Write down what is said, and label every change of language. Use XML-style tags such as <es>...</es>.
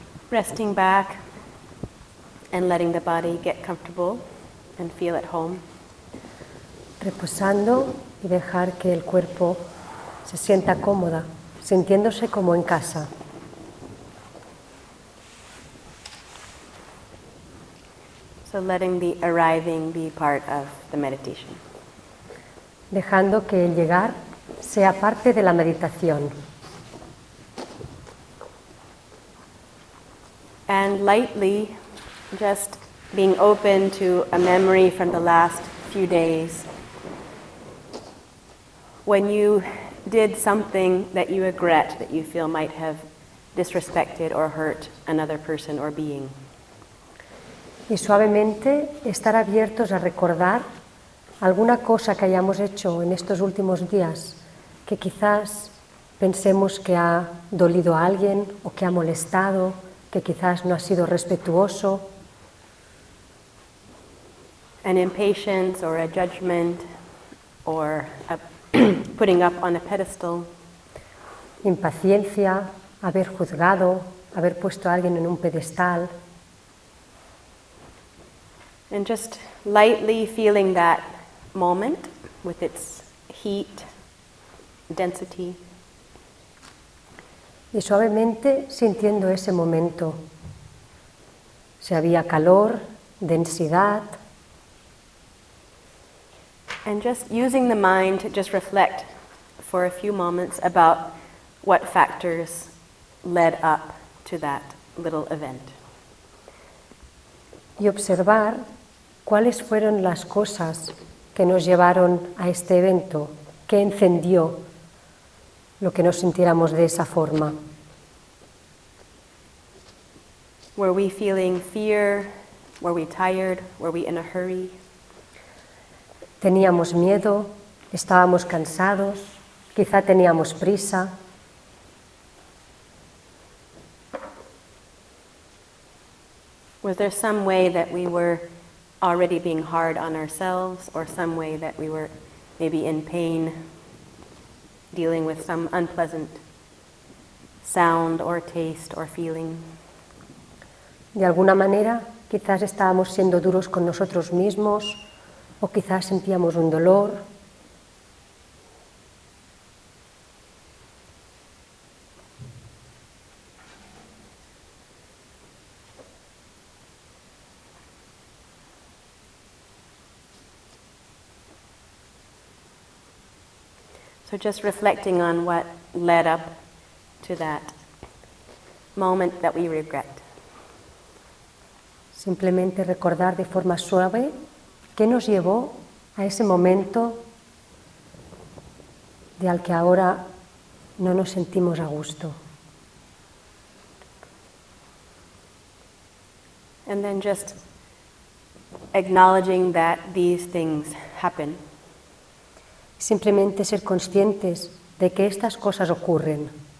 <en>Resting back and letting the body get comfortable and feel at home.</en> <es>Reposando y dejar que el cuerpo se sienta cómoda, sintiéndose como en casa.</es> <en>So letting the arriving be part of the meditation.</en> <es>Dejando que el llegar sea parte de la meditación.</es> <en>And lightly, just being open to a memory from the last few days. When you did something that you regret, that you feel might have disrespected or hurt another person or being.</en> <es>Y suavemente estar abiertos a recordar alguna cosa que hayamos hecho en estos últimos días que quizás pensemos que ha dolido a alguien o que ha molestado, que quizás no ha sido respetuoso.</es> <en>An impatience or a judgment or a putting up on a pedestal.</en> <es>Impaciencia, haber juzgado, haber puesto a alguien en un pedestal.</es> <en>And just lightly feeling that moment with its heat, density.</en> <es>Y suavemente sintiendo ese momento. Si había calor, densidad.</es> <en>And just using the mind to just reflect for a few moments about what factors led up to that little event.</en> <es>Y observar cuáles fueron las cosas que nos llevaron a este evento, que encendió lo que nos sintiéramos de esa forma.</es> <en>Were we feeling fear? Were we tired? Were we in a hurry?</en> <es>Teníamos miedo, estábamos cansados, quizá teníamos prisa.</es> <en>Was there some way that we were already being hard on ourselves, or some way that we were maybe in pain, dealing with some unpleasant sound or taste or feeling?</en> <es>De alguna manera, quizás estábamos siendo duros con nosotros mismos, o quizás sentíamos un dolor.</es> <en>So just reflecting on what led up to that moment that we regret.</en> <es>Simplemente recordar de forma suave qué nos llevó a ese momento de al que ahora no nos sentimos a gusto.</es> <en>And then just acknowledging that these things happen.</en> <es>Simplemente ser conscientes de que estas cosas ocurren.</es>